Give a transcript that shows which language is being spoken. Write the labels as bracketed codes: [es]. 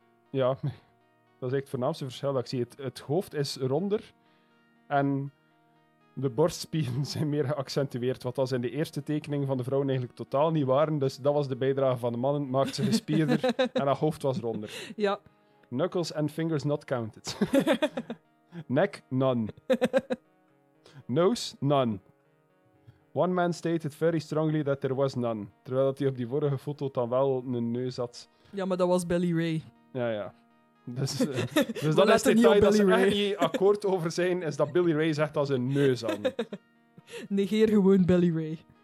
[nl] Ja, dat is eigenlijk het voornaamste verschil dat ik zie. Het hoofd is ronder en de borstspieren zijn meer geaccentueerd. Wat als in de eerste tekening van de vrouwen eigenlijk totaal niet waren. Dus dat was de bijdrage van de mannen. Het maakt ze gespierder en haar hoofd was ronder. Ja. [en] Knuckles and fingers not counted. Nek, none. Nose, none. One man stated very strongly that there was none. [nl] Terwijl dat hij op die vorige foto dan wel een neus had. Ja, maar dat was Billy Ray. Ja, ja. Dus dat is het detail dat ze echt niet akkoord over zijn, is dat Billy Ray zegt als een neus aan. Negeer gewoon Billy Ray.